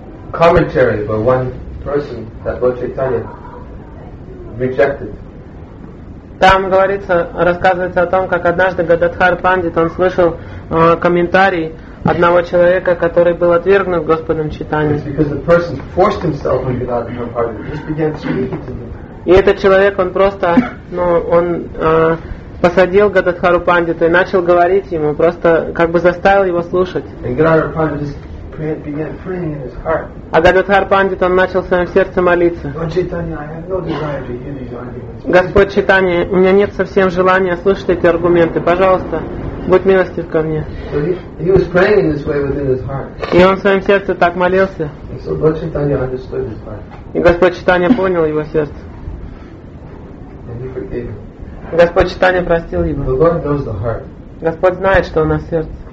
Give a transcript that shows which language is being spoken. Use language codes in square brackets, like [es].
[en] Commentary by one person that Lord Chaitanya rejected. [ru] Там говорится, рассказывается о том, как однажды Гададхар Пандит, он слышал комментарий одного человека, который был отвергнут Господом Чайтаньей. [en] It's because the person forced himself on Gadadhar Pandit, just began speaking to him. [ru] И этот человек, он просто, ну, он посадил Гададхару Пандиту и начал говорить ему, просто как бы заставил его слушать. [en] And Gadadhar Pandit just began praying in his heart. [ru] А Гададхар Пандит, он начал в своем сердце молиться. [en] Lord Chaitanya, I have no desire to hear these arguments. [ru] Господь Чайтанья, у меня нет совсем желания слушать эти аргументы. Пожалуйста, будь милостив ко мне. [en] He was praying in this way within his heart. [ru] И он в своем сердце так молился. [en] So Lord Chaitanya understood his heart. [ru] И Господь Чайтанья понял его сердце. Господь Чайтанья простил его. [en] The Lord knows the heart. [ru] Господь знает, что у нас сердце.